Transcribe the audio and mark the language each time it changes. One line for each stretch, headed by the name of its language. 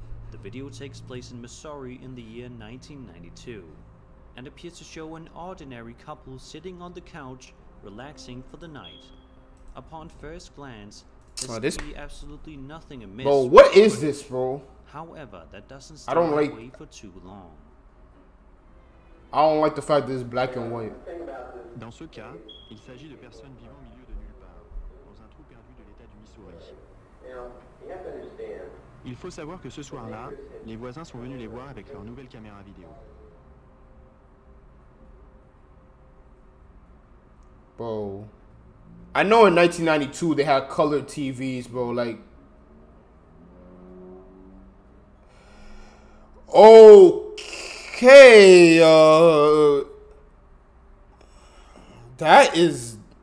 English: The video takes place in Missouri in the year 1992 and appears to show an ordinary couple sitting on the couch, relaxing for the night. Upon first glance, there's absolutely nothing amiss. Bro, what is this, bro? However, that doesn't stay away for too long. I don't like the fact that it's black and white.
French: Dans ce cas, il s'agit de personnes vivant au milieu de nulle part, dans un trou perdu de l'état du Missouri. Il faut savoir que ce soir-là, les voisins sont venus les voir avec leur nouvelle caméra vidéo.
English: Bro, I know in 1992 they had color TVs, bro. Like, okay, that is.